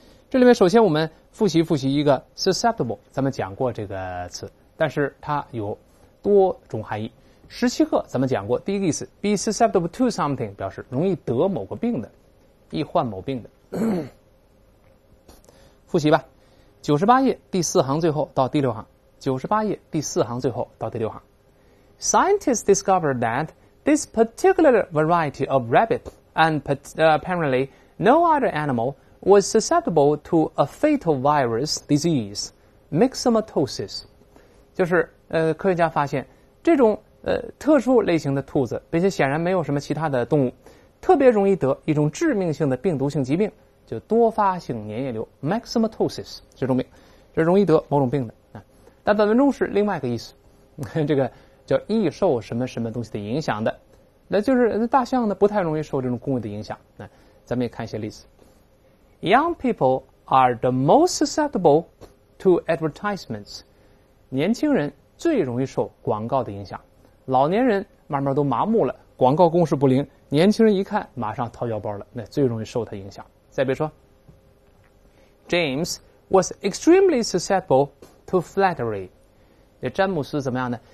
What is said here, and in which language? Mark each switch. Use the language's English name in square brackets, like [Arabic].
[Chinese] 这里面首先我们复习一个 susceptible， 咱们讲过这个词，但是它有多种含义。 17课咱们讲过第一个意思 ， be susceptible to something 表示容易得某个病的。易患某病的复习吧。 98页第四行最后到第六行，98页第四行最后到第六行。 [English] Scientists discovered that this particular variety of rabbit and apparently no other animal was susceptible to a fatal virus disease, myxomatosis. [Chinese] 就是科学家发现这种特殊类型的兔子，并且显然没有什么其他的动物，特别容易得一种致命性的病毒性疾病，就多发性粘液瘤 maxomatosis 这种病，是容易得某种病的啊。但本文中是另外一个意思，这个叫易受什么什么东西的影响的，那就是大象呢不太容易受这种工位的影响。那咱们也看一些例子。 [English] Young people are the most susceptible to advertisements. [Chinese] 年轻人最容易受广告的影响。老年人慢慢都麻木了，广告攻势不灵，年轻人一看马上掏腰包了，那最容易受他影响。再比如说 James was extremely susceptible to flattery. 那詹姆斯怎么样呢？